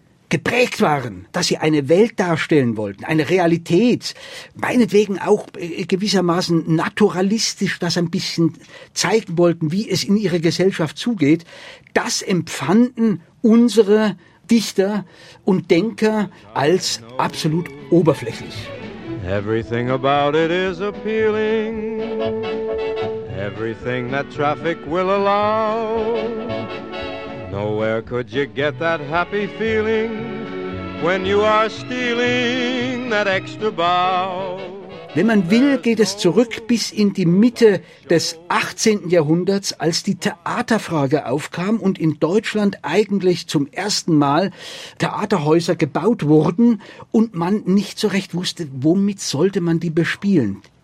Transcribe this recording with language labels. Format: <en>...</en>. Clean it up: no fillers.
<de>geprägt waren, dass sie eine Welt darstellen wollten, eine Realität, meinetwegen auch gewissermaßen naturalistisch das ein bisschen zeigen wollten, wie es in ihrer Gesellschaft zugeht, das empfanden unsere Dichter und Denker als absolut oberflächlich.</de> <en>Everything about it is appealing. Everything that traffic will allow. Nowhere could you get that happy feeling when you are stealing that extra bow.</en> <de>Wenn man will, geht es zurück bis in die Mitte des 18. Jahrhunderts, als die Theaterfrage aufkam und in Deutschland eigentlich zum ersten Mal Theaterhäuser gebaut wurden und man nicht so recht wusste, womit sollte man die bespielen.</de>